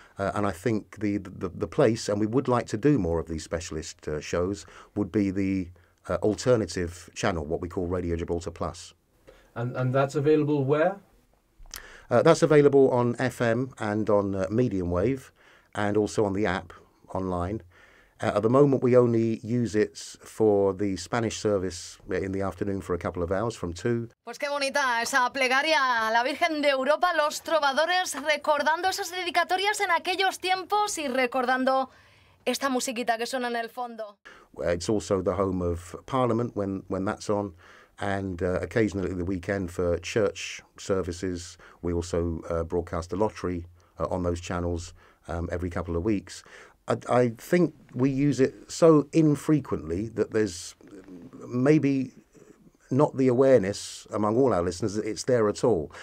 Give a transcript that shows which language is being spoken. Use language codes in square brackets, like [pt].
[en] And I think the place, and we would like to do more of these specialist shows, would be the alternative channel, what we call Radio Gibraltar Plus. And that's available where? That's available on FM and on medium wave, and also on the app online. At the moment, we only use it for the Spanish service in the afternoon for a couple of hours from 2. [es] Pues qué bonita esa plegaria a la Virgen de Europa, los trovadores recordando esas dedicatorias en aquellos tiempos y recordando esta musiquita que suena en el fondo. [en] It's also the home of Parliament when that's on, and occasionally the weekend for church services. We also broadcast a lottery on those channels every couple of weeks. I think we use it so infrequently that there's maybe not the awareness among all our listeners that it's there at all.